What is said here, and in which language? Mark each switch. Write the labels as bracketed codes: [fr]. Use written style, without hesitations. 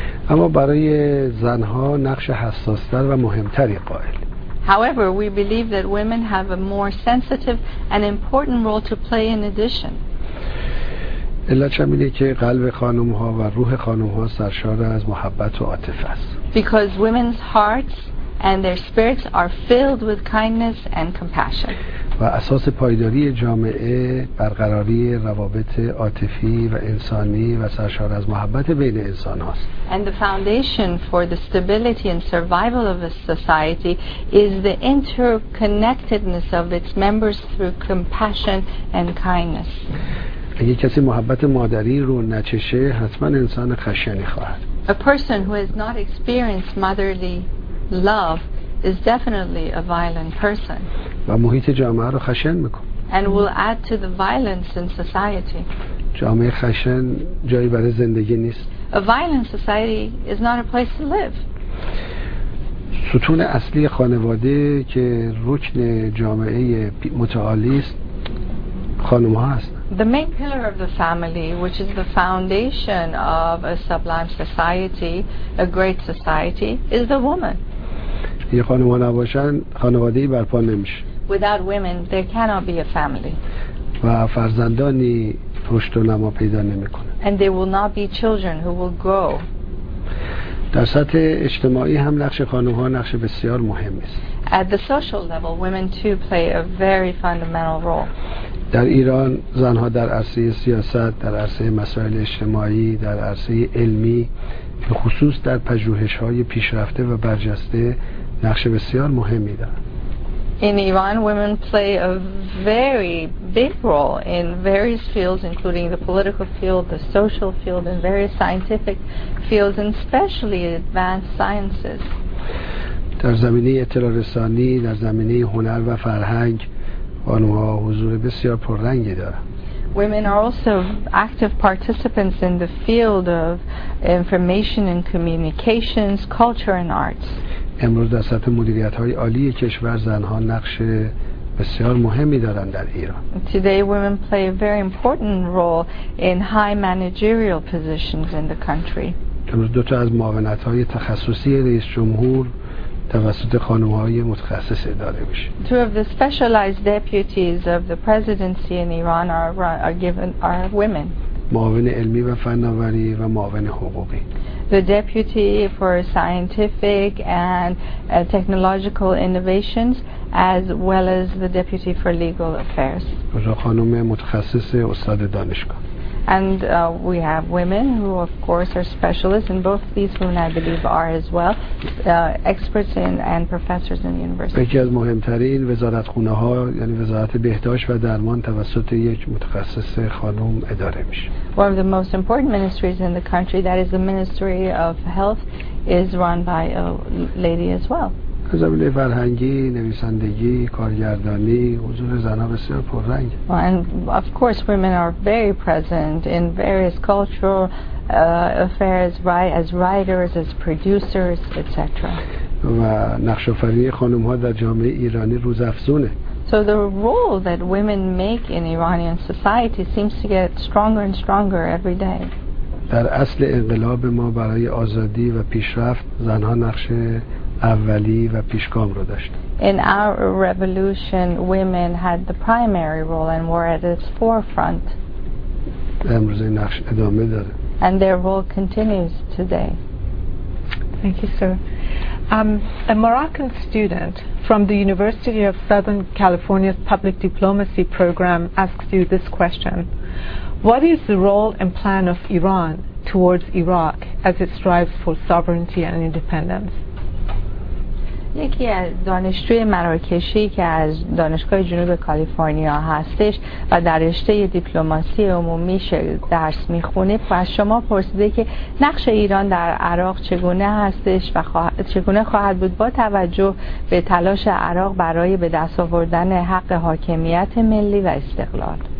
[fa] اما برای زنها نقش حساس‌تر و مهم‌تری قائل. [en] However, we believe that women have a more sensitive and important role to play in addition. [fa] علت چه میده که قلب خانوم ها و روح خانوم ها سرشار از محبت و عاطفه است. [en] Because women's hearts and their spirits are filled with kindness and compassion. [fa] و اساس پایداری جامعه برقراری روابط عاطفی و انسانی و سرشار از محبت بین انسان هاست. [en] And the foundation for the stability and survival of a society is the interconnectedness of its members through compassion and kindness. [fa] اگه کسی محبت مادری رو نچشه حتما انسان خشنی خواهد. [en] A person who has not experienced motherly love is definitely a violent person. [fa] و محیط جامعه رو خشن میکنه. [en] And will add to the violence in society. [fa] جامعه خشن جایی برای زندگی نیست. [en] A violent society is not a place to live. [fa] ستون اصلی خانواده که رکن جامعه متعالی است خانم ها هست. [en] The main pillar of the family, which is the foundation of a sublime society, a great society, is the woman. [fa] یه خانم‌ها نباشن خانواده‌ای برپا نمیشه. [en] Without women, there cannot be a family. [fa] و فرزندانی رشد و نما پیدا نمی‌کنه. [en] And there will not be children who will grow. [fa] در سطح اجتماعی هم نقش خانم‌ها نقش بسیار مهمی است. [en] At the social level, women too play a very fundamental role. [fa] در ایران زنها در عرصه سیاست، در عرصه مسائل اجتماعی، در عرصه علمی به خصوص در پژوهش‌های پیشرفته و برجسته نقش بسیار مهمی دارند. [en] In Iran, women play a very big role in various fields, including the political field, the social field, and various scientific fields, and especially advanced sciences. [fa] در زمینه اطلاع رسانی، در زمینه هنر و فرهنگ خانم ها حضور بسیار پررنگی دارن. [en] Women are also active participants in the field of information and communications, culture and arts. [fa] امروز در سطح مدیریت های عالی کشور زن ها نقش بسیار مهمی دارن در ایران. [en] Today women play a very important role in high managerial positions in the country. [fa] امروز دو تا از معاونت های تخصصی رئیس جمهور توسط خانم های متخصص اداره میشه. [en] Two of the specialized deputies of the presidency in Iran are given are women. [fa] معاون علمی و فناوری و معاون حقوقی. [en] The deputy for scientific and technological innovations as well as the deputy for legal affairs. [fa] و خانم متخصص استاد دانشگاه. [en] And we have women who of course are specialists in both these women I believe are as well experts in and professors in the university. [fa] یکی از مهمترین وزارت خونه ها یعنی وزارت بهداشت و درمان توسط یک متخصص خانم اداره میشه. [en] One of the most important ministries in the country, that is the Ministry of Health, is run by a lady as well. [fa] از قبیل فرهنگی، نویسندگی، کارگردانی، حضور زنها بسیار پررنگ. [en] And of course women are very present in various cultural affairs, right, as writers, as producers, etc. [fa] و نقش آفرینی خانم ها در جامعه ایرانی روز افزونه. [en] So the role that women make in Iranian society seems to get stronger and stronger every day. [fa] در اصل انقلاب ما برای آزادی و پیشرفت زنها نقش اولی و پیشگام رو داشت. [en] In our revolution women had the primary role and were at its forefront. [fa] امروز این نقش ادامه داره. [en] And their role continues today. Thank you, sir. A Moroccan student from the University of Southern California's Public Diplomacy Program asks you this question. What is the role and plan of Iran towards Iraq as it strives for sovereignty and independence? [fa] یکی از دانشجوی مراکشی که از دانشگاه جنوب کالیفرنیا هستش و در رشته دیپلماسی عمومی درس میخونه و از شما پرسیده که نقش ایران در عراق چگونه هستش و چگونه خواهد بود با توجه به تلاش عراق برای به دست آوردن حق حاکمیت ملی و استقلال.